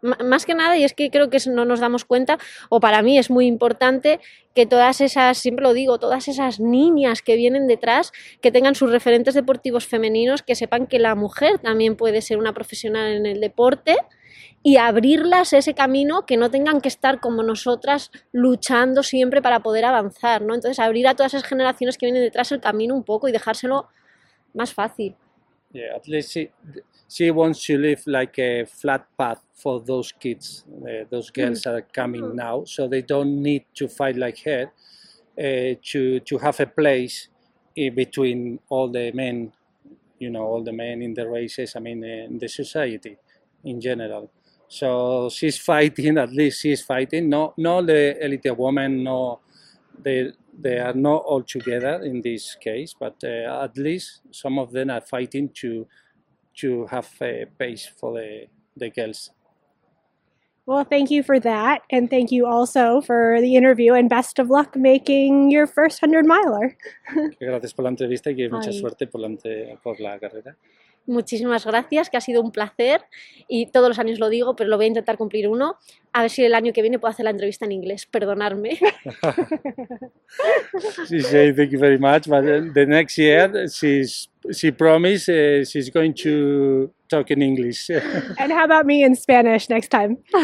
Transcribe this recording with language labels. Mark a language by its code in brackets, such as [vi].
[es] Más que nada, y es que creo que no nos damos cuenta, o para mí es muy importante que todas esas, siempre lo digo, todas esas niñas que vienen detrás, que tengan sus referentes deportivos femeninos, que sepan que la mujer también puede ser una profesional en el deporte y abrirlas ese camino, que no tengan que estar como nosotras luchando siempre para poder avanzar, ¿no? Entonces, abrir a todas esas generaciones que vienen detrás el camino un poco y dejárselo más fácil. [en] Yeah, at least she wants to leave like a flat path for those kids, those girls that are coming now, so they don't need to fight like her to have a place in between all the men, you know, all the men in the races, I mean, in the society in general. So she's fighting, at least she's fighting. No, the elite woman, no, they are not all together in this case, but at least some of them are fighting to have a base for the girls. Well, thank you for that. And thank you also for the interview and best of luck making your first 100 miler. [es] Gracias por la entrevista y mucha suerte por la carrera. Muchísimas gracias, que ha sido un placer y todos los años lo digo, pero lo voy a intentar cumplir uno. A ver si el año que viene puedo hacer la entrevista en inglés. Perdonarme. [en] She said thank you very much, but the next year she promised she's going to talk in English. And how about me in Spanish next time?